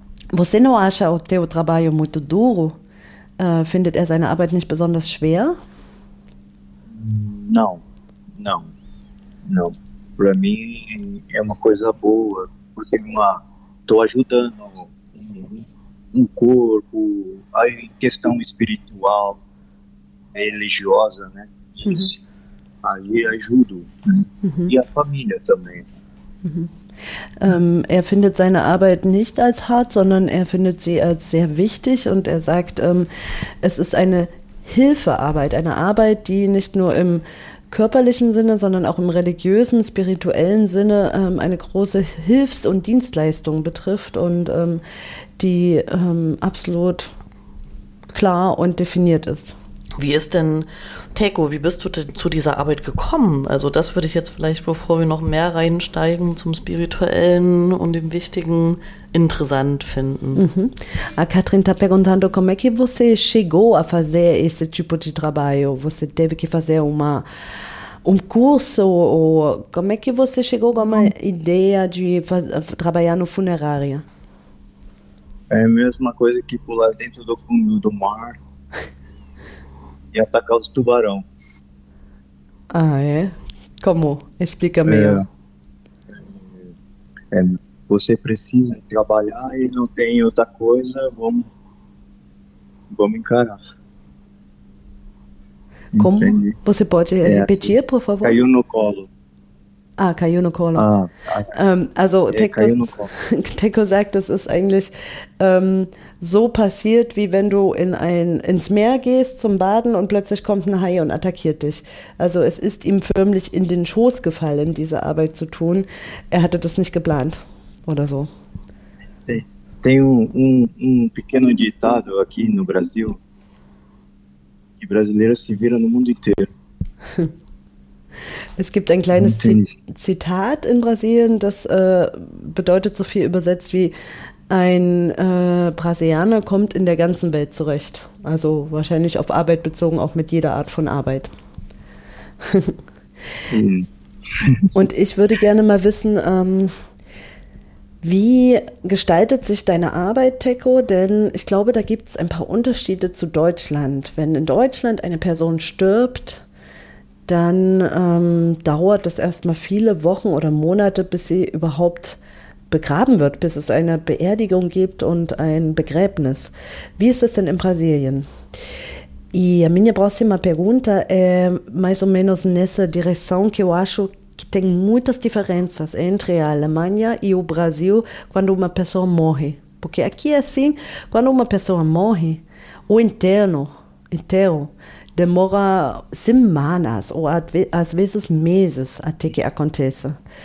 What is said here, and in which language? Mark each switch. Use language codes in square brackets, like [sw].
[pt] Você não acha o teu trabalho muito duro? [de] Findet er seine Arbeit nicht besonders schwer? [pt] Não, não, não. Para mim é uma coisa boa, porque estou ajudando um corpo, a questão espiritual, religiosa, né? Aí ajudo, né? E a família também. [de] Er findet seine Arbeit nicht als hart, sondern er findet sie als sehr wichtig und er sagt, es ist eine Hilfearbeit, eine Arbeit, die nicht nur im körperlichen Sinne, sondern auch im religiösen, spirituellen Sinne eine große Hilfs- und Dienstleistung betrifft und die absolut klar und definiert ist. Wie ist denn, Teco, wie bist du denn zu dieser Arbeit gekommen? Also das würde ich jetzt vielleicht, bevor wir noch mehr reinsteigen, zum Spirituellen und dem Wichtigen interessant finden. [pt] A Katrin está perguntando como é que você chegou a fazer esse tipo de trabalho? Você teve que fazer um curso? Ou como é que você chegou com uma ideia de trabalhar no funerário? É a mesma coisa que pular dentro do fundo do mar. E atacar os tubarão. Ah, é? Como? Explica melhor. Você precisa trabalhar e não tem outra coisa, vamos encarar. Como? Entendi. Você pode repetir, assim, por favor? Caiu no colo. Ah, caiu no colo. [de] Also, Teco sagt, das ist eigentlich so passiert, wie wenn du ins Meer gehst zum Baden und plötzlich kommt ein Hai und attackiert dich. Also es ist ihm förmlich in den Schoß gefallen, diese Arbeit zu tun. Er hatte das nicht geplant oder so. [pt] Tem um pequeno ditado aqui no Brasil, que brasileiro se vira no mundo inteiro. [de] Es gibt ein kleines Zitat in Brasilien, das bedeutet so viel übersetzt wie ein Brasilianer kommt in der ganzen Welt zurecht. Also wahrscheinlich auf Arbeit bezogen, auch mit jeder Art von Arbeit. Und ich würde gerne mal wissen, wie gestaltet sich deine Arbeit, Teco? Denn ich glaube, da gibt es ein paar Unterschiede zu Deutschland. Wenn in Deutschland eine Person stirbt, dann dauert das erstmal viele Wochen oder Monate, bis sie überhaupt begraben wird, bis es eine Beerdigung gibt und ein Begräbnis. Wie ist das denn in Brasilien? [pt] E a minha próxima pergunta é mais ou menos nessa direção, que eu acho que tem muitas diferenças entre a Alemanha e o Brasil quando uma pessoa morre. Porque aqui é assim, quando uma pessoa morre, o enterro, demora semanas ou às vezes meses até que aconteça.